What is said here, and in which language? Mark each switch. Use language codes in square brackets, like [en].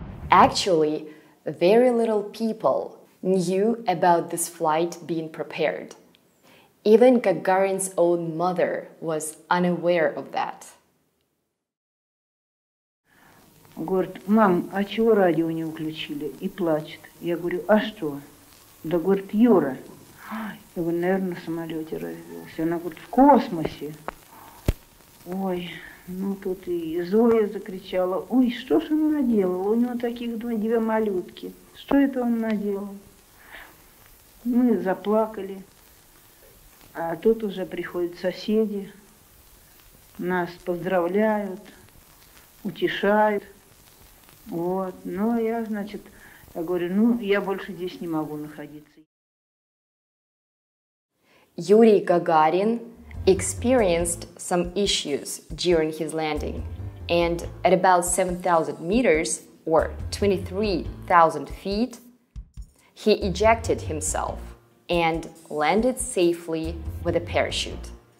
[en] Actually, very little people knew about this flight being prepared. Even Gagarin's own mother was unaware of that. [ru] Говорит, мам, а чего радио не включили? И плачет. Я говорю, а что? Да, говорит, Юра. Я говорю, наверное, в самолете разбился. Она говорит, в космосе. Ой. Ну, тут и Зоя закричала, ой, что ж он наделал, у него таких две малютки, что это он наделал? Мы заплакали, а тут уже приходят соседи, нас поздравляют, утешают, вот. Но я, значит, я говорю, ну, я больше здесь не могу находиться. [en] Юрий Гагарин experienced some issues during his landing, and at about 7,000 meters, or 23,000 feet, he ejected himself and landed safely with a parachute.